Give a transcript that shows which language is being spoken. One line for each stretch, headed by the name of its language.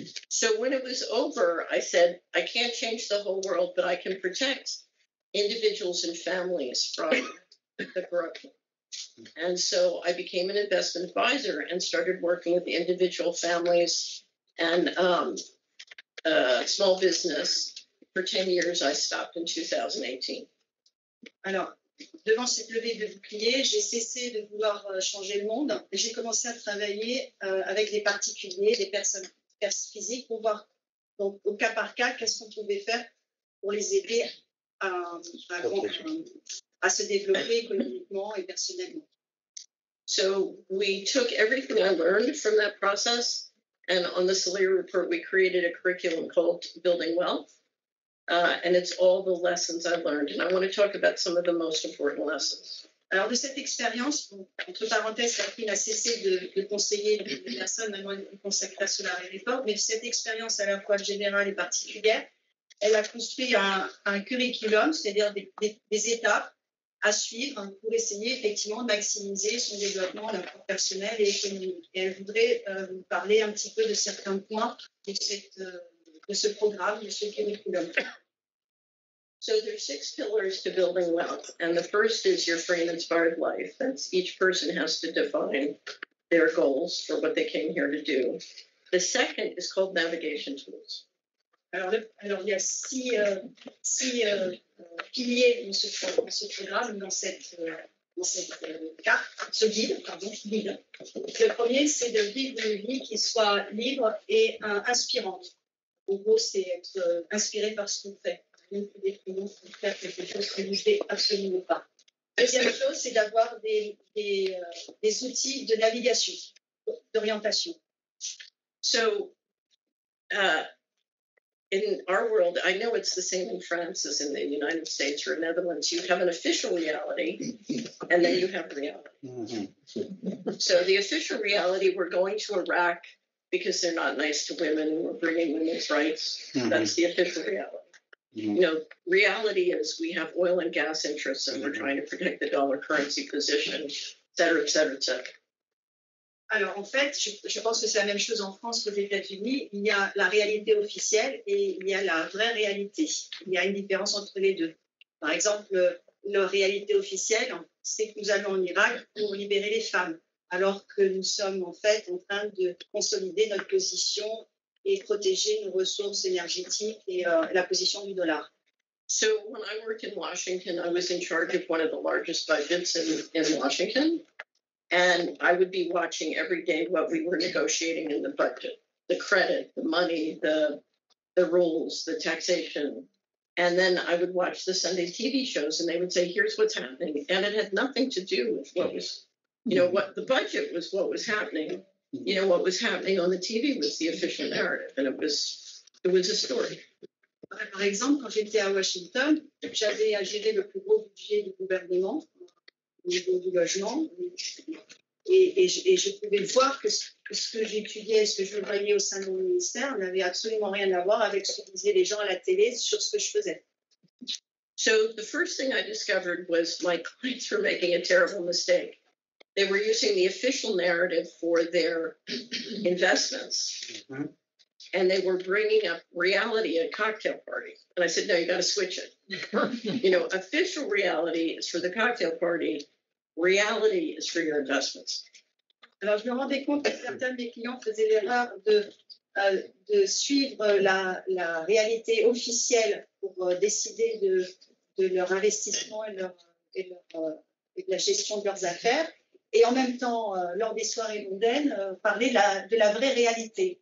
English: So when it was over, I said, I can't change the whole world, but I can protect individuals and families from the corruption. And so I became an investment advisor and started working with individual families and small business. For 10 years, I stopped in 2018.
French: Alors, devant cette levée de boucliers, j'ai cessé de vouloir changer le monde et j'ai commencé à travailler avec des particuliers, des personnes physiques pour voir Donc, au cas par cas, qu'est-ce qu'on pouvait faire pour les aider à se développer économiquement et personnellement?
English: So, we took everything I learned from that process, and on the Salier report, we created a curriculum called Building Wealth. And it's all the lessons I learned, and I want to talk about some of the most important lessons.
French: Alors, de cette expérience, entre parenthèses, Catherine a cessé de conseiller les personnes, maintenant elle consacrée à cela et l'effort, mais de cette expérience à la fois générale et particulière, elle a construit un curriculum, c'est-à-dire des étapes à suivre pour essayer effectivement de maximiser son développement personnel et économique. Et elle voudrait vous parler un petit peu de certains points de cette de ce programme, de ce curriculum.
English: So there are six pillars to building wealth, and the first is your free-inspired life. That's each person has to define their goals for what they came here to do. The second is called navigation tools.
French: Alors, il y a six piliers dans ce programme, dans cette carte, ce guide. Le premier, c'est de vivre une vie qui soit libre et inspirante. En gros, c'est être inspiré par ce qu'on fait. Donc, définitivement, il faut faire quelque chose que vous ne voulez absolument pas. Deuxième chose, c'est d'avoir des outils de navigation, d'orientation.
English: So, in our world, I know it's the same in France as in the United States or Netherlands. You have an official reality, and then you have reality. So, the official reality, we're going to Iraq because they're not nice to women, we're bringing women's rights. That's the official reality. You know, reality is we have oil and gas interests and we're trying to protect the dollar currency position, et cetera, et cetera, et cetera.
French: Alors, en fait, je pense que c'est la même chose en France qu'aux États-Unis. Il y a la réalité officielle et il y a la vraie réalité. Il y a une différence entre les deux. Par exemple, la réalité officielle, c'est que nous allons en Irak pour libérer les femmes, alors que nous sommes en fait en train de consolider notre position et protéger nos ressources énergétiques et la position du dollar.
English: So when I worked in Washington, I was in charge of one of the largest budgets in Washington, and I would be watching every day what we were negotiating in the budget, the credit, the money, the rules, the taxation, and then I would watch the Sunday TV shows, and they would say, here's what's happening, and it had nothing to do with what was, you know, what the budget was, what was happening. You know, what was happening on the TV was the official narrative, and it was a story.
French: Par exemple, quand j'étais à Washington, j'avais à gérer le plus gros budget du gouvernement, au niveau du logement, et je pouvais voir que ce que j'étudiais, ce que je voyais au sein de mon ministère, n'avait absolument rien à voir avec ce que disaient les gens à la télé sur ce que je faisais.
English: So, the first thing I discovered was my clients were making a terrible mistake. They were using the official narrative for their investments, and they were bringing up reality at a cocktail party. And I said, no, you got to switch it. You know, official reality is for the cocktail party. Reality is for your investments.
French: Alors, je me rendais compte que certains de mes clients faisaient l'erreur de suivre la réalité officielle pour décider de leur investissement et de la gestion de leurs affaires. Et en même temps, lors des soirées mondaines, parler de la vraie réalité.